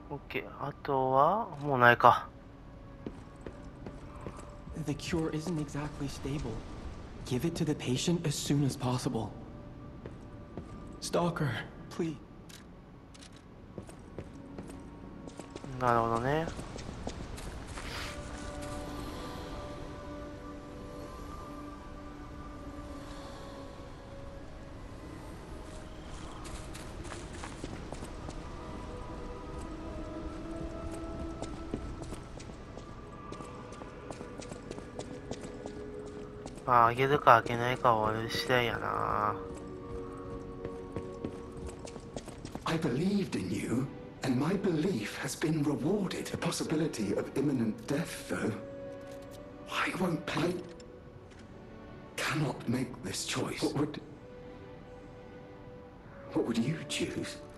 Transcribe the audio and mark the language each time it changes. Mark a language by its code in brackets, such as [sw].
[ja] OK、あとはもうないか。 [en] The cure isn't exactly stable. Give it to the patient as soon as possible. Stalker, please. [ja] なるほどね。まあ、あげるかあげないかは俺次第やな。 [en] I believed in you, and my belief has been rewarded. The possibility of imminent death, though. I won't pay. Cannot make this choice. What would you choose?